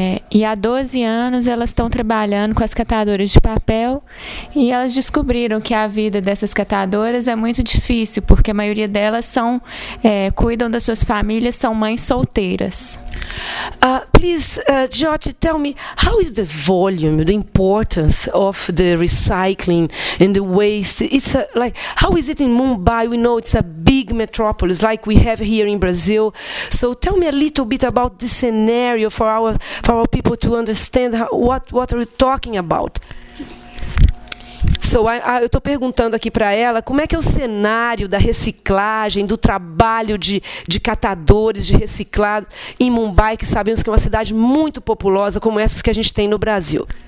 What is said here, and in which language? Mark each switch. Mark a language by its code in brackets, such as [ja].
[pt] E há 12 anos elas estão trabalhando com as catadoras de papel. E elas descobriram que a vida dessas catadoras é muito difícil, porque a maioria delas são, cuidam das suas famílias, são mães solteiras. [en] Please, Jyoti, tell me, how is the volume, the importance of the recycling and the waste? It's like, how is it in Mumbai? We know it's a big metropolis like we have here in Brazil. So tell me a little bit about the scenario for our people to understand what are you talking about. [pt] So, eu estou perguntando aqui para ela como é que é o cenário da reciclagem, do trabalho de catadores, de reciclados em Mumbai, que sabemos que é uma cidade muito populosa como essas que a gente tem no Brasil.